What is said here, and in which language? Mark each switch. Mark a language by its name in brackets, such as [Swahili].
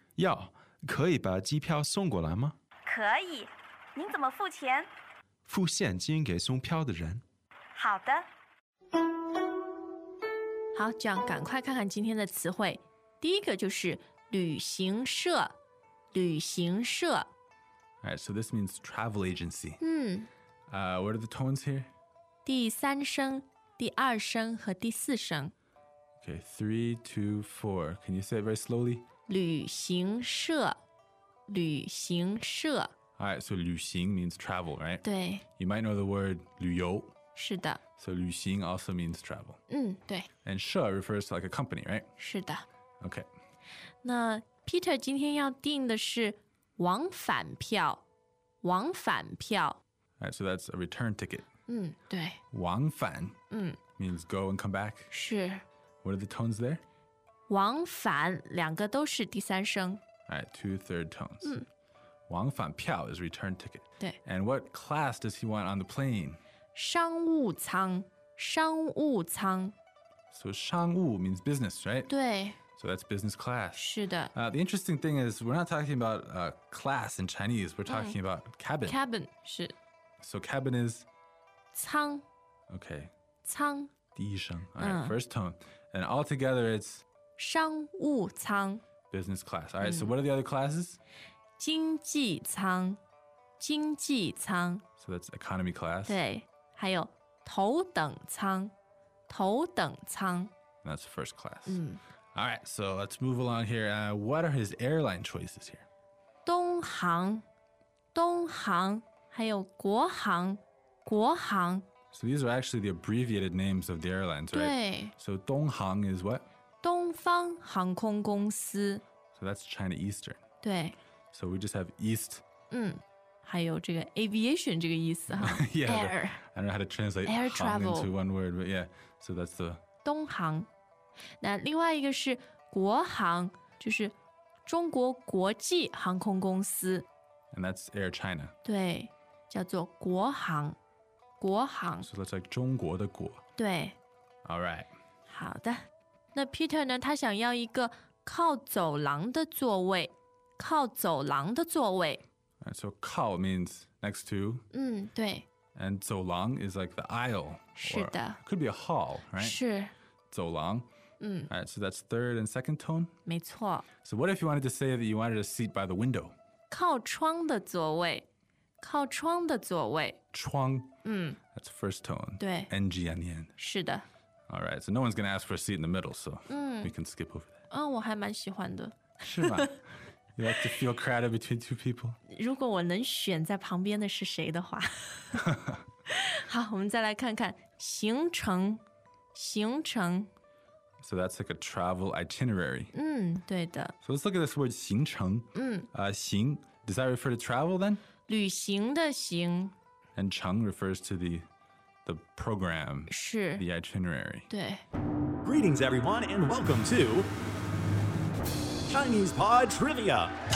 [Chinese] 要，可以把机票送过来吗？可以。您怎么付钱？付现金给送票的人。好的。好，这样赶快看看今天的词汇。第一个就是旅行社，旅行社。 [English] All right, so this means travel agency. [Chinese] 嗯。 [English] What are the tones here? [Chinese] 第三声、第二声和第四声。 [English] Okay, 3, 2, 4. Can you say it very slowly? [Chinese] 旅行社，旅行社。 [English] All right, so 旅行 means travel, right? [Chinese] 对。 [English] You might know the word 旅游。 [Chinese] 是的。 [English] So 旅行 also means travel. [Chinese] 嗯，对。 [English] And 社 refers to like a company, right? [Chinese] 是的。 [English] Okay. [Chinese] 那 Peter 今天要订的是往返票，往返票。 [English] Alright, so that's a return ticket. [Chinese] 嗯，对。往返，嗯 [English] ，means go and come back. [Chinese] 是。 [English] What are the tones there? [Chinese] 往返两个都是第三声。 [English] Alright, two third tones. [Chinese] 嗯， [English] 往返票 is return ticket. [Chinese] 对。 [English] And what class does he want on the plane? [Chinese] 商务舱，商务舱。 [English] So 商务 means business, right? [Chinese] 对。 [English] So that's business class. [Chinese] 是的。 [English] The interesting thing is we're not talking about class in Chinese. We're talking about cabin. Cabin, 是。 So cabin is? [Chinese] 舱。 [English] Okay. [Chinese] 舱。第一声。 [English] All right, first tone. And altogether it's? [Chinese] 商务舱。 [English] Business class. All right, so what are the other classes? [Chinese] 经济舱。经济舱。 [English] So that's economy class. [Chinese] 对。还有头等舱。头等舱。 [English] That's first class. All right, so let's move along here. What are his airline choices here? [Chinese] 东航，东航，还有国航，国航。 [English] So these are actually the abbreviated names of the airlines, right? [Chinese] 对。 [English] So 东航 is what? [Chinese] 东方航空公司。 [English] So that's China Eastern. [Chinese] 对。 [English] So we just have East. [Chinese] 嗯，还有这个 aviation 这个意思哈。 [English] Yeah, air. I don't know how to translate air travel into one word, but yeah. So that's the [Chinese] 东航。那另外一个是国航，就是中国国际航空公司。 [English] And that's Air China. [Chinese] 对。叫做国航，国航。 [English] So that's like [Chinese] 中国的国。对。 [English] All right. [Chinese] 好的。那 Peter 呢？他想要一个靠走廊的座位，靠走廊的座位。 [English] Right, so 靠 means next to. [Chinese] 嗯，对。 [English] And 走廊 is like the aisle. [Chinese] 是的。 [English] Could be a hall, right? [Chinese] 是。走廊。嗯。 [English] Right, so that's third and second tone. [Chinese] 没错。 [English] So what if you wanted to say that you wanted a seat by the window? [Chinese] 靠窗的座位。靠窗的座位。窗。嗯。 [English] That's first tone. [Chinese] 对。 [English] NG on the end. [Chinese] 是的。 [English] All right, so no one's going to ask for a seat in the middle, so we can skip over that. [Chinese] 嗯，我还蛮喜欢的。是吗？ [English] You like to feel crowded between two people? [Chinese] 如果我能选在旁边的是谁的话。好，我们再来看看行程，行程。 [English] So that's like a travel itinerary. [Chinese] 嗯，对的。 [English] So let's look at this word 行程。 [Chinese] 嗯。 [English] 行, does that refer to travel then? [Chinese] 旅行的行。 [English] And 程 refers to the program. [Chinese] 是。 [English] The itinerary. [Chinese] 对。 [English] Greetings everyone and welcome to... Chinese Pod Trivia.